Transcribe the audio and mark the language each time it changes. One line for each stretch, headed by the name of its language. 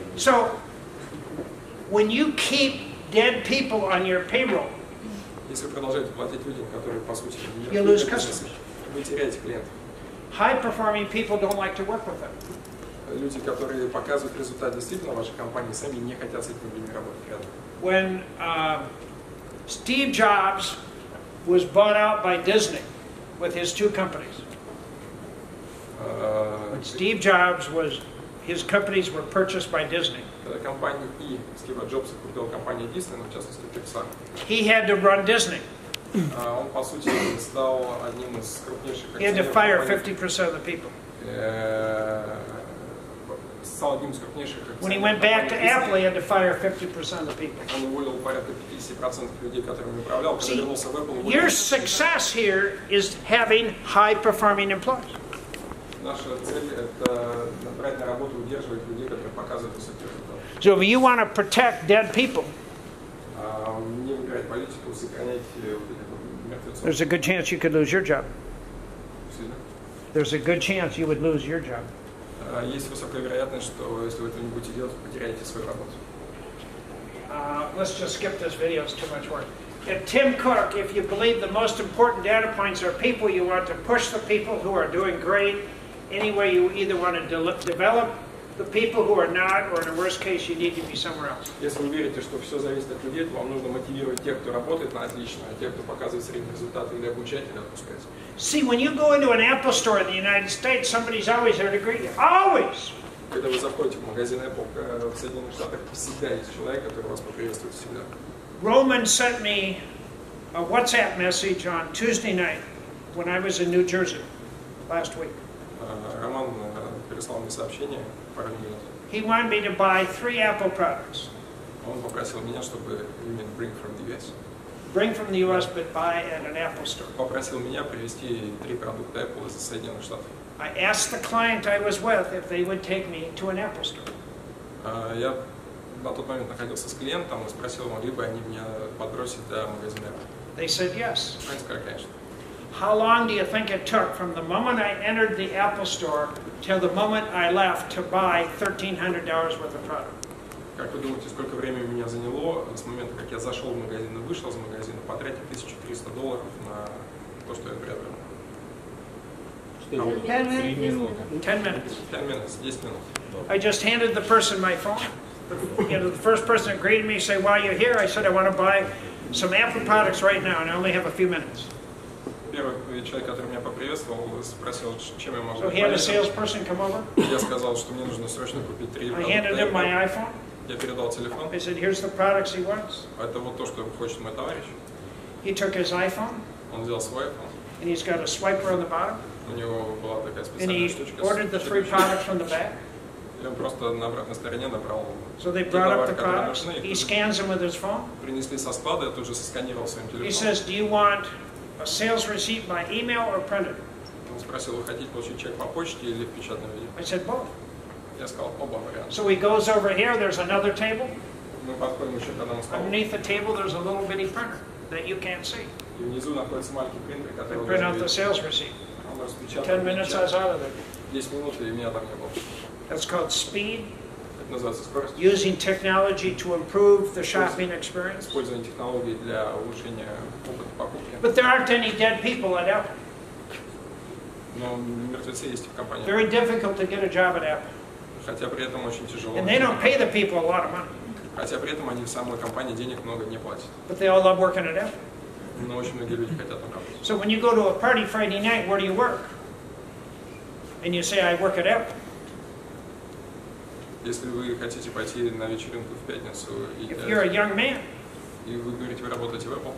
English: So, when you keep dead people on your payroll,
Russian: если вы продолжаете платить людям, которые по сути не
English: you lose customers.
Russian: Вы теряете клиентов.
English: High-performing people don't like to work with them.
Russian: Люди, которые показывают результат действительно вашей компании, сами не хотят с этими людьми работать рядом.
English: When Steve Jobs was bought out by Disney with his two companies. When Steve Jobs was, his companies were purchased by Disney.
Russian: Когда компания E, Стива Джобса купила компанию Disney, но в частности Pixar.
English: He had to run Disney.
Russian: Он по сути стал одним из крупнейших.
English: He had to fire 50% of the people. When he went back to Apple, he had to fire 50% of the people.
Russian: Он уволил порядка 50% людей, которыми управлял.
English: See, your success here is having high-performing employees.
Russian: Наша цель это набрать на работу, удерживать людей, которые показывают высокий результат.
English: So if you want to protect dead people,
Russian: не выбирать политику, сохранять мертвецов.
English: There's a good chance you could lose your job. there's a good chance you would lose your job.
Russian: Есть высокая вероятность, что если вы этого не будете делать, потеряете свою работу.
English: Let's just skip this video, it's too much work. At Tim Cook, if you believe the most important data points are people, you want to push the people who are doing great. Anyway, you either want to develop the people who are not, or in a worst case, you need to be somewhere else.
Russian: Если вы верите, что все зависит от людей, вам нужно мотивировать тех, кто работает на отлично, а тех, кто показывает средний результат, или обучать, или отпускать.
English: See, when you go into an Apple store in the United States, somebody's always there to greet you. Always!
Russian: Когда вы заходите в магазин Apple в Соединенных Штатах, всегда есть человек, который вас поприветствует всегда.
English: Roman sent me a WhatsApp message on Tuesday night when I was in New Jersey last week.
Russian: Роман переслал мне сообщение пару дней назад.
English: He wanted me to buy 3 Apple products.
Russian: Он попросил меня, чтобы именно
English: bring from the US. Bring from the US, but buy at an Apple store.
Russian: Попросил меня привезти 3 продукта Apple из Соединенных Штатов.
English: I asked the client I was with if they would take me to an Apple store.
Russian: Я на тот момент находился с клиентом и спросил его, могли бы они меня подбросить до магазина.
English: They said yes.
Russian: Они сказали, конечно.
English: How long do you think it took from the moment I entered the Apple store till the moment I left to buy $1,300 worth of product?
Russian: Как вы думаете, сколько времени меня заняло с момента, как я зашел в магазин и вышел из магазина, потратить $1,300 на то, что я приобрел?
English: 10 minutes. 10 minutes. I just handed the person my phone. You know, the first person that greeted me said, "Why are you here?" I said, "I want to buy some Apple products right now, and I only have a few minutes."
Russian: Первый человек, который меня поприветствовал, спросил, чем я могу.
English: So he had a salesperson come over.
Russian: Я сказал, что мне нужно срочно купить 3.
English: I handed him my iPhone.
Russian: Я передал телефон.
English: I said, "Here's the products he wants."
Russian: Это вот то, что хочет мой товарищ.
English: He took his iPhone.
Russian: Он взял свой iPhone.
English: And he's got a swiper on the bottom.
Russian: У него была такая специальная
English: and he
Russian: штучка.
English: Ordered the 3 products from the back.
Russian: И он просто на обратной стороне набрал.
English: So they brought up the products. He scans them with his phone.
Russian: Принесли со склада, я тут же сосканировал своим телефоном.
English: He says, "Do you want a sales receipt by email or printed?"
Russian: Он спросил, вы хотите получить чек по почте или в печатном виде?
English: I said both.
Russian: Я сказал оба варианта.
English: So he goes over here. There's another table.
Russian: Мы подходим еще к одному столу.
English: Underneath the table there's a little bitty printer that you can't see.
Russian: И внизу находится маленький принтер, который.
English: Print out the sales receipt. 10 minutes, I was out of there.
Russian: 10 минут, и меня там не было.
English: That's called speed.
Russian: Это называется скорость.
English: Using technology to improve the shopping experience.
Russian: Использование технологий для улучшения опыта покупки.
English: But there aren't any dead people at Apple.
Russian: Но мертвецы есть в компании.
English: Very difficult to get a job at Apple.
Russian: Хотя при этом очень тяжело.
English: And they don't pay the people a lot of money.
Russian: Хотя при этом они в самой компании денег много не платят.
English: But they all love working at Apple.
Russian: Но очень многие люди хотят там работать.
English: So when you go to a party Friday night, where do you work? And you say, I work at Apple.
Russian: Если вы хотите пойти на вечеринку в пятницу,
English: if you're a young man,
Russian: и вы говорите, вы работаете в Apple,